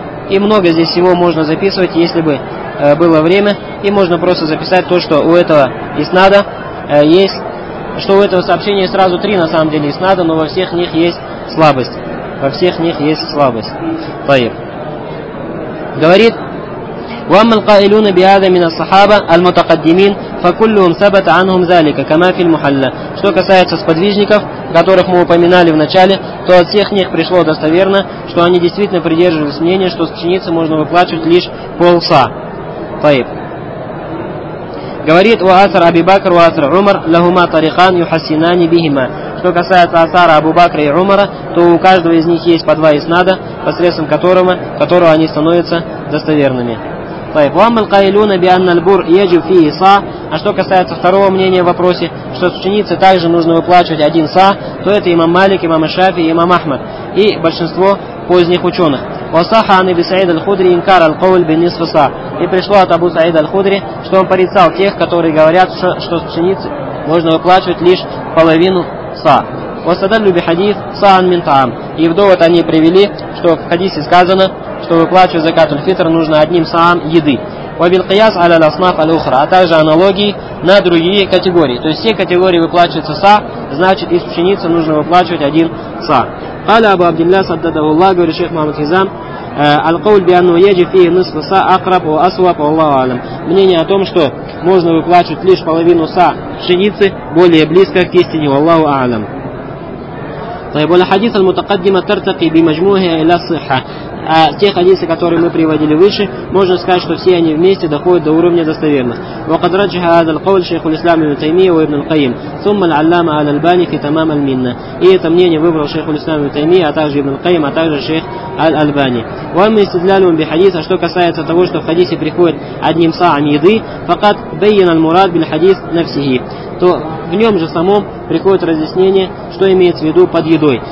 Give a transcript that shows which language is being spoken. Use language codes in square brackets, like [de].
[ru] И много здесь всего можно записывать, если бы было время, и можно просто записать то, что у этого иснада есть, что у этого сообщения сразу три на самом деле иснада, но во всех них есть слабость. Во всех них есть слабость. [ar] Таир. [ru] Говорит, [ar] وَأَمَّا الْقَائِلُونَ بِهَذَا مِنَ الصَّحَابَةِ الْمُتَقَدِّمِينَ فَكُلُّهُمْ ثَبَتَ عَنْهُمْ ذَلِكَ كَمَا فِي الْمُحَلَّ. [ru] Что касается сподвижников, которых мы упоминали в начале, то от всех них пришло достоверно, что они действительно придерживались мнения, что с пшеницы можно выплачивать лишь полса. [ar] Таиб. [ru] Говорит, [ar] وَأَثَرَ أَبِي بَكْرَ وَأَثَرَ عُمَرَ لَهُمَا طَرِيقَانِ يُحَسِّنَانِ بِهِمَا. [ru] Что касается асара Абу Бакра и Умара, то у каждого из них есть по два иснада, посредством которого они становятся достоверными. [ar] Таиб. وَأَمَّا الْقَائِلُونَ بِأَنَّ الْبُرَّ يَجِبُ فِيهِ صَا. [ru] А что касается второго мнения в вопросе, что с пшеницы также нужно выплачивать один са, то это имам Малик, имам Шафии, имам Ахмад и большинство поздних ученых. [ar] وَصَحَ عَنْ أَبِي سَعِيدَ الْخُدْرِ إِنْكَارَ الْقَوْلِ بِنِصْفِ صَا. [ru] И пришло от Абу Саида аль-Худри, что он порицал тех, которые говорят, что с пшеницы можно выплачивать лишь половину са. [ar] وَسَدَلُّ بِحَدِيثِ صَا عَنْ مِنْ طَعَام. [ru] И в довод они привели, что в хадисе сказано, что выплачивать закат аль-фитр нужно одним саам еды. [ar] وبالقياس على الأصناف الأخرى, [ru] а также аналогии на другие категории. То есть все категории выплачиваются са, значит из пшеницы нужно выплачивать один са. [ar] قال أبو عبد الله صدده الله, [ru] говорит шейх Мухаммад Хизам, [ar] القول بأنه يجب فيه نصف са أقرب وأصوب والله أعلم. [ru] Мнение о том, что можно выплачивать лишь половину са пшеницы, более близко к истине, [ar] والله أعلم. طيب والحديث المتقدم ترتقي بمجموعها إلى الصحة. [ru] А те хадисы, которые мы приводили выше, можно сказать, что все они вместе доходят до уровня достоверности. [ar] وقد رجح هذا القول شيخ الإسلام ابن تيمية وابن القيم ثم العلامة الألباني في تمام المنة. [ru] И это мнение выбрал шейх الإسلام ابن تيمية, а также ابن القيم, а также шейх الألباني. [ar] وما استدلال من بحديث, [ru] а что касается того, что в хадисе приходит одним саам еды, [ar] فقد بين المراد بالحديث نفسه, [ru] то в нем же самом приходит разъяснение, что имеется в виду под едой.